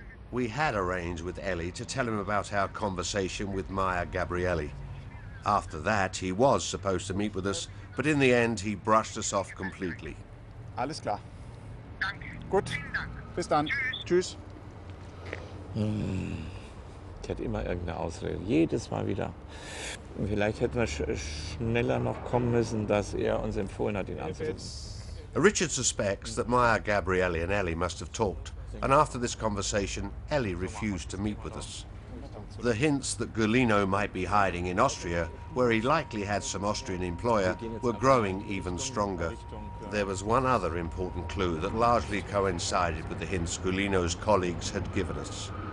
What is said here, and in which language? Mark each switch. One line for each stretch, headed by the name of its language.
English: We had arranged with Ellie to tell him about our conversation with Maya Gabrielli. After that, he was supposed to meet with us, but in the end, he brushed us off completely.
German: Alles klar. Gut, bis dann. Tschüss. Die hat immer irgendeine Ausrede, jedes Mal wieder. Vielleicht hätten wir schneller noch kommen müssen, dass er uns empfohlen hat, ihn anzusetzen.
English: Richard suspects that Maya Gabrielli and Ellie must have talked, and after this conversation, Ellie refused to meet with us. The hints that Gulino might be hiding in Austria, where he likely had some Austrian employer, were growing even stronger. There was one other important clue that largely coincided with the hints Gulino's colleagues had given us.